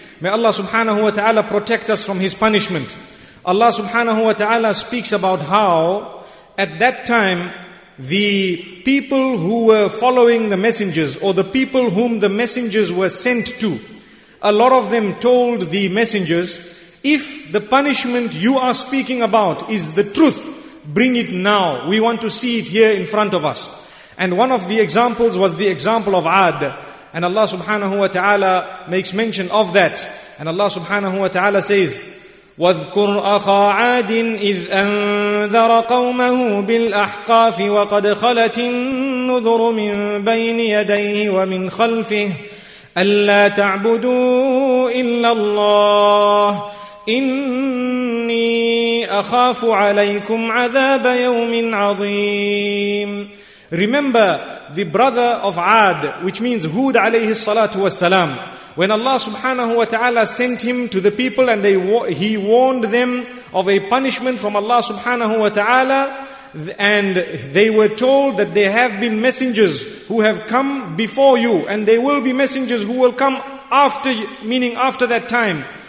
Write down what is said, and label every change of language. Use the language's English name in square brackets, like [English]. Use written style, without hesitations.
[English] May Allah subhanahu wa ta'ala protect us from His punishment. Allah subhanahu wa ta'ala speaks about how at that time the people who were following the messengers or the people whom the messengers were sent to, a lot of them told the messengers, if the punishment you are speaking about is the truth, bring it now. We want to see it here in front of us. And one of the examples was the example of Ad. And Allah subhanahu wa ta'ala makes mention of that. And Allah subhanahu wa ta'ala says, [Arabic] وَاذْكُرْ أَخَا عَادٍ إِذْ أَنذَرَ قَوْمَهُ بِالْأَحْقَافِ وَقَدْ خَلَتِ النُّذُرُ مِنْ بَيْنِ يَدَيْهِ وَمِنْ خَلْفِهِ أَلَّا تَعْبُدُوا إِلَّا اللَّهِ إِنِّي أَخَافُ عَلَيْكُمْ عَذَابَ يَوْمٍ عَظِيمٍ. [English] Remember the brother of Ad, which means Hud alayhi salatu wasalam. When Allah subhanahu wa ta'ala sent him to the people and he warned them of a punishment from Allah subhanahu wa ta'ala, and they were told that there have been messengers who have come before you, and there will be messengers who will come after, meaning after that time.